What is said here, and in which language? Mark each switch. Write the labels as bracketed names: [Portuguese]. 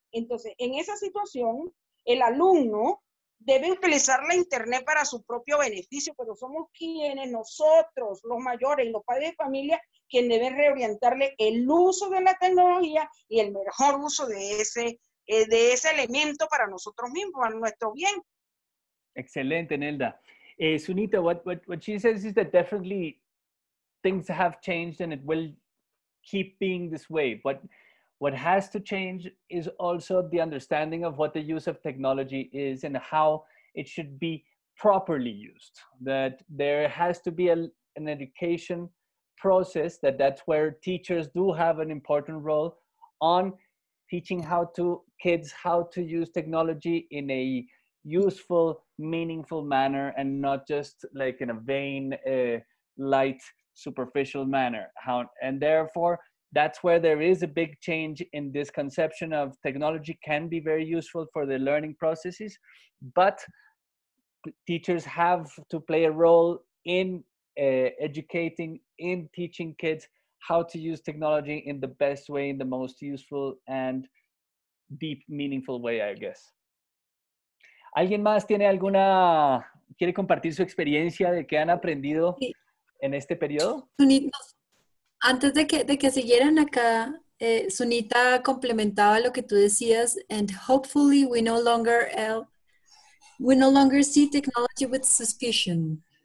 [Spanish] Entonces, en esa situación, el alumno debe utilizar la internet para su propio beneficio, pero somos quienes, nosotros, los mayores y los padres de familia, quienes deben reorientarle el uso de la tecnología y el mejor uso de ese elemento para nosotros mismos, para nuestro bien. Excelente, Nelda. [English] Sunita, what she says is that definitely things have changed and it will keep being this way, but what has to change is also the understanding of what the use of technology is and how it should be properly used. That there has to be an education process, that's where teachers do have an important role on teaching kids how to use technology in a useful, meaningful manner and not just like in a vain, light, superficial manner. And therefore, that's where there is a big change in this conception of technology can be very useful for the learning processes, but teachers have to play a role in educating, in teaching kids how to use technology in the best way, in the most useful and deep, meaningful way, I guess. [Spanish] ¿Alguien más tiene alguna, quiere compartir su experiencia de qué han aprendido en este periodo? Antes de que siguieran acá, Sunita complementaba lo que tú decías, [English] and hopefully we no longer see technology with suspicion.